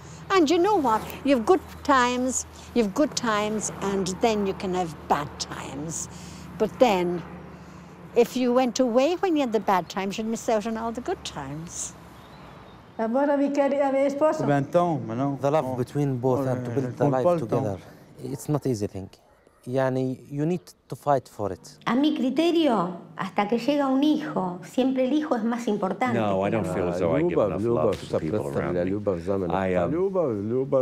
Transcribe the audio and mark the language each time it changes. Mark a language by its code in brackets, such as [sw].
[en] And you know what? You've good times, and then you can have bad times. But then, if you went away when you had the bad times, you'd miss out on all the good times. The love between both and to build the life together, it's not easy thing. Yani, you need to fight for it. [es] A mi criterio, hasta que llega un hijo, siempre el hijo es más importante. [en] No, I don't feel as though I give enough love to people around me.